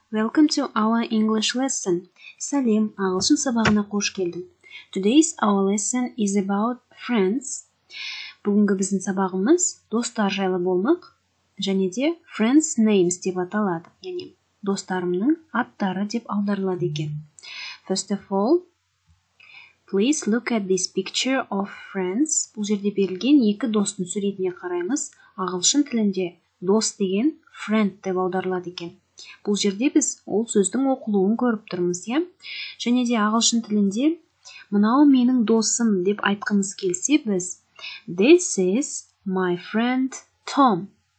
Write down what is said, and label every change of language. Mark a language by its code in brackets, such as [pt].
[en] Welcome to our English lesson. [kk] Салем, ағылшын сабағына қош келдің. [en] Today's our lesson is about friends. [kk] Бүгінгі біздің сабағымыз достар жайлы болмақ, және де [en] friends names [kk] деп аталады. Яғни, достарымның аттары деп аударылады екен. [en] First of all, please look at this picture of friends. [kk] Бұл жерде берілген екі достың суретіне қараймыз. Ағылшын тілінде дос деген friend деп аударылады екен. Бұл жерде біз ол сөздің оқылуын көріп тұрмыз, е? Және де ағылшын тілінде мынау менің досым деп айтқымыз келсе, біз [en] This is my friend Tom.